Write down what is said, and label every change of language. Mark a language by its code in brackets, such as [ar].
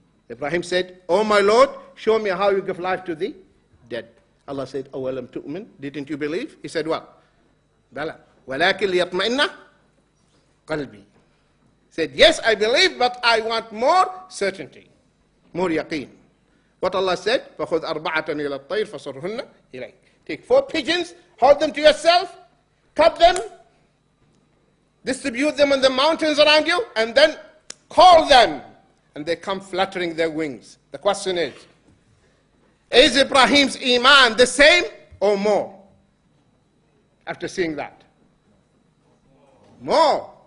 [en] Ibrahim said, oh my Lord, show me how you give life to the dead. Allah said, oh, [ar] alam tu'min, [en] didn't you believe? He said, what? Bala. [ar] Walakin liyatma'inna qalbi. [en] Said, yes, I believe, but I want more certainty, more yaqeen. What Allah said, [ar] فَخُذْ أَرْبَعَةً إِلَى الطَّيْرِ فَصُرْهُنَّ إِلَيْكَ. [en] Take four pigeons, hold them to yourself, cut them, distribute them in the mountains around you, and then call them. And they come fluttering their wings. The question is Ibrahim's iman the same or more? After seeing that. More.